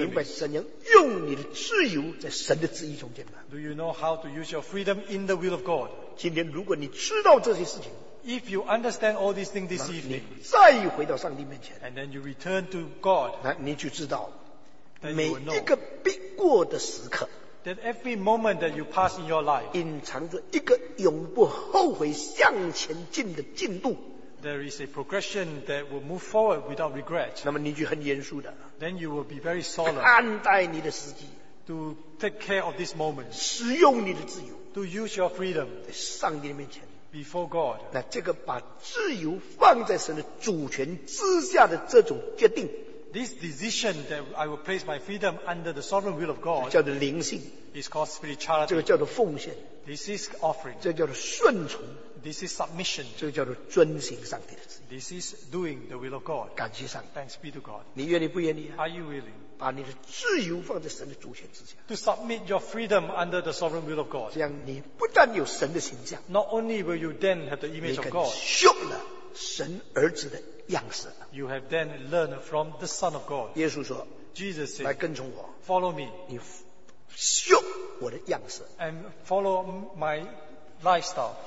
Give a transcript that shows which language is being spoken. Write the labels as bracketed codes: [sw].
[zh] 你明白怎样用你的自由在神的旨意中间吗？ [en] Do you know how to use your freedom in the will of God? [zh] 今天如果你知道这些事情， [en] If you understand all these things this evening, [zh] 你再回到上帝面前， [en] And then you return to God, [zh] 那你就知道每一个逼过的时刻， [en] That every moment that you pass in your life, [zh] 隐藏着一个永不后悔向前进的进度。 [en] There is a progression that will move forward without regret. [zh] 那么你就很严肃的。 [en] Then you will be very solemn. [zh] 看待你的时机。 [en] To take care of this moment. [zh] 使用你的自由。 [en] To use your freedom. [zh] 在上帝的面前。 [en] Before God. [zh] 那这个把自由放在神的主权之下的这种决定。 [en] This decision that I will place my freedom under the sovereign will of God [zh] 叫做灵性， [en] is called spirituality. [zh] 这个叫做奉献， [en] this is offering. [zh] 这个叫做顺从， [en] this is submission. [zh] 这个叫做遵行上帝的旨意， [en] this is doing the will of God. [zh] 感谢上帝， [en] thanks be to God. [zh] 你愿意不愿意、啊、 [en] Are you willing? [zh] 把你的自由放在神的主权之下， [en] to submit your freedom under the sovereign will of God. [zh] 这样你不但有神的形象， [en] not only will you then have the image of God. [zh] 你更受了神儿子的样式。 [en] You have then learned from the Son of God. [zh] 耶稣说， [en] Jesus said, [zh] 来跟从我， [en] follow me. [zh] 你学我的样式， [en] and follow my lifestyle.